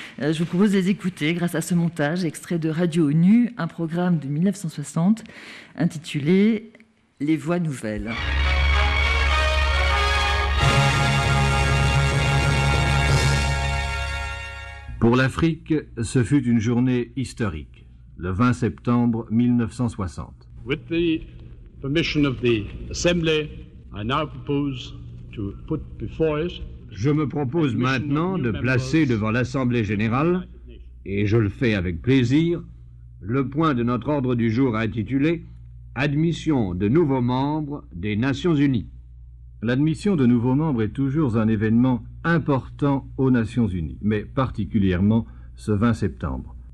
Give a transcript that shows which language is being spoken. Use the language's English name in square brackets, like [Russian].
[French] Je vous propose de les écouter grâce à ce montage, extrait de Radio ONU, un programme de 1960 intitulé « Les voix nouvelles ». Pour l'Afrique, ce fut une journée historique, le 20 septembre 1960. [English] With the permission of the Assembly, I now propose to put before it. [French] Je me propose maintenant de placer devant l'Assemblée générale, et je le fais avec plaisir, le point de notre ordre du jour intitulé « Admission de nouveaux membres des Nations Unies ». L'admission de nouveaux membres est toujours un événement important aux Nations Unies, mais particulièrement ce 20 septembre.